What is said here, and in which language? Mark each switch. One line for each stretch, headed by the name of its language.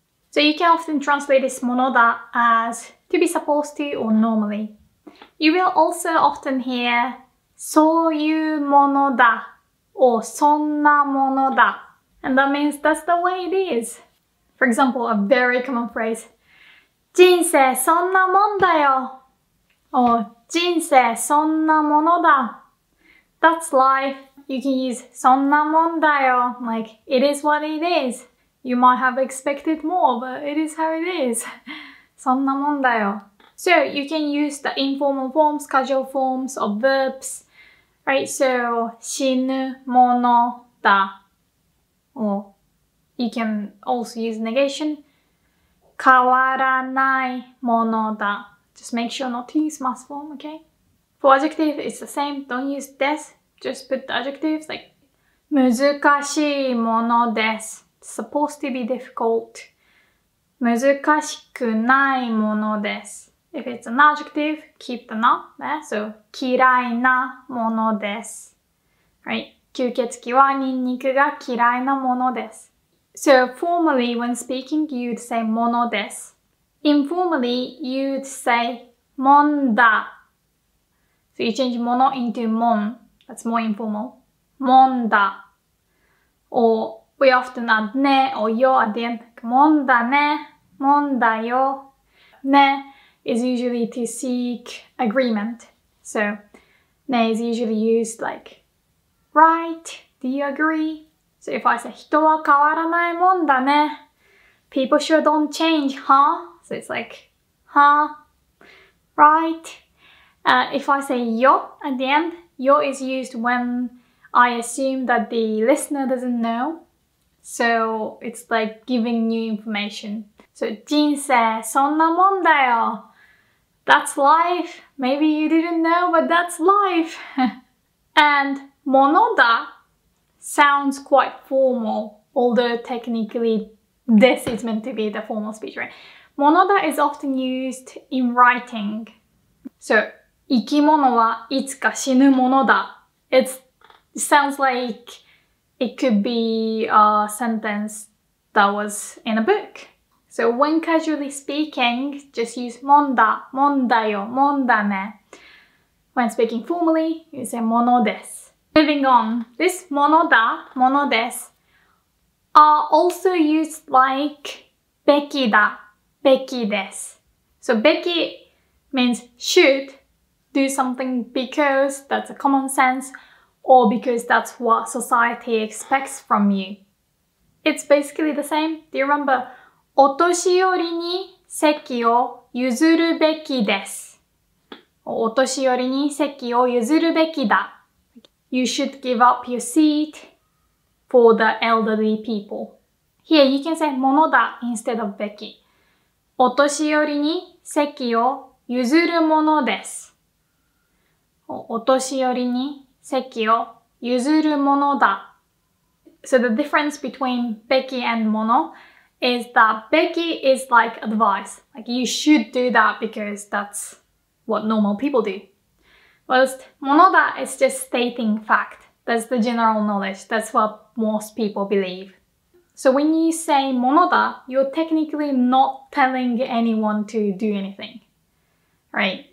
English: So you can often translate this ものだ as to be supposed to or normally. You will also often hear
Japanese: そういうものだ or そんなものだ。
English: And that means that's the way it is. For example, a very common phrase
Japanese: 人生そんなもんだよ
English: or
Japanese: 人生そんなものだ。
English: That's life. You can use
Japanese: そんなもんだよ
English: like it is what it is. You might have expected more, but it is how it is.
Japanese: そんなもんだよ。
English: So you can use the informal forms, casual forms of verbs, right? So
Japanese: 死ぬものだ。
English: Or you can also use negation.
Japanese: 変わらないものだ。
English: Just make sure not to use mass form, okay? For adjective, it's the same. Don't use des. Just put the adjectives like
Japanese: 難しいものです。
English: It's supposed to be difficult.
Japanese: 難しくないものです。
English: If it's an adjective, keep the na there. So
Japanese: 嫌いなものです。
English: Right?
Japanese: 吸血鬼はニンニクが嫌いなものです。
English: So formally, when speaking, you'd say ものです。 Informally, you'd say
Japanese: もんだ。
English: So you change もの into もん。That's more informal.
Japanese: もんだ。
English: Or we often add ねor よ at the end.
Japanese: もんだね。もんだよ。
English: ね is usually to seek agreement. So ね is usually used like... Right? Do you agree? So if I say,
Japanese: 人は変わらないもんだね。
English: People sure don't change, huh? So it's like, huh? Right? If I say, よ at the end, よ is used when I assume that the listener doesn't know. So it's like giving new information.
Japanese: So, 人生そんなもんだよ。
English: That's life. Maybe you didn't know, but that's life. And...
Japanese: ものだ
English: sounds quite formal, although technically this is meant to be the formal speech, right? ものだ is often used in writing.
Japanese: So, 生き物はいつか死ぬものだ
English: It sounds like it could be a sentence that was in a book. So, when casually speaking, just use ものだ、ものだよ、ものだね。 When speaking formally, you say ものです。Moving on, this ものだ、ものです are also used like
Japanese: べきだ、べきです。
English: So べき means should do something because that's a common sense or because that's what society expects from you. It's basically the same. Do you remember?
Japanese: お年寄りに席を譲るべきです。お年寄りに席を譲るべきだ。
English: You should give up your seat for the elderly people. Here, you can say ものだ instead of べき。
Japanese: お年寄りに席を譲るものです。お年寄りに席を譲るものだ。
English: So the difference between べきand もの is that べき is like advice. Like you should do that because that's what normal people do. Whilst, ものだ is just stating fact. That's the general knowledge. That's what most people believe. So when you say ものだ, you're technically not telling anyone to do anything. Right?